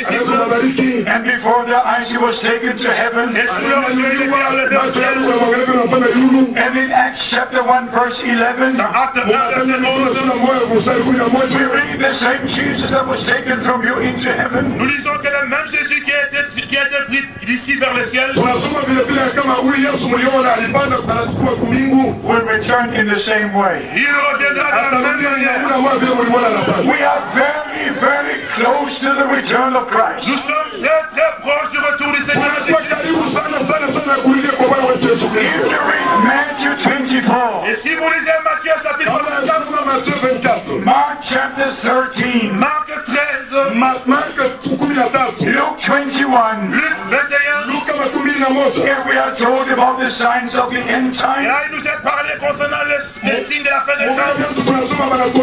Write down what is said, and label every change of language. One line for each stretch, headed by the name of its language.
English: And before their eyes he was taken to heaven.
French: Et sous leurs yeux il était élevé au ciel.
English: And in Acts chapter 1 verse 11. We read the same Jesus that was taken from you into heaven.
French: Nous lisons que le même Jésus qui a été pris d'ici vers le ciel.
English: Will return in the same way.
French: Il reviendra de la même manière.
English: We are very, very close to the return of Christ.
French: Nous sommes très, très proches du retour du Seigneur Jésus-Christ.
English: Matthew 24.
French: Et si vous lisez Matthieu chapitre 24.
English: Mark chapter 13. Mark 13. Mark 13. Luke 21. Luke 21. Luke 21. Here we are told about the signs of the end time.
French: Là, il nous est parlé concernant les signes de la fin des